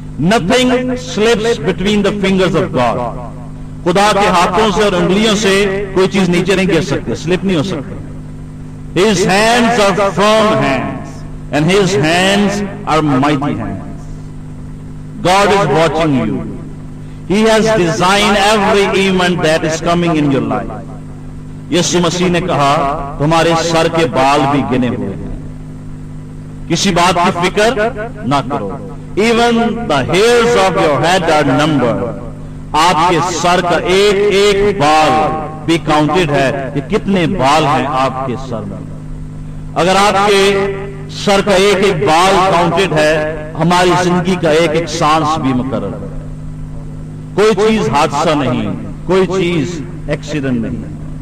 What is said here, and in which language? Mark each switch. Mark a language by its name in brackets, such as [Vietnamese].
[English] Nothing slips between the fingers of God، [Urdu] خدا کے ہاتھوں سے اور انگلیوں سے کوئی چیز نیچے نہیں گر سکتی، سلپ نہیں ہو سکتا۔ [English] His hands are firm hands and his hands are mighty hands. God is watching you. He has designed every event that is coming in your life. [Urdu] یسوع مسیح نے کہا تمہارے سر کے بال بھی گنے ہوئے ہیں، کسی بات کی فکر نہ کرو۔ [English] Even the hairs of your head are numbered، [Urdu] آپ کے سر کا ایک ایک بال بھی کاؤنٹڈ ہے کہ کتنے بال ہیں آپ کے سر میں۔ اگر آپ کے سر کا ایک ایک بال کاؤنٹڈ ہے، ہماری زندگی کا ایک ایک سانس بھی مقرر ہے۔ کوئی چیز حادثہ نہیں، کوئی چیز ایکسیڈنٹ نہیں۔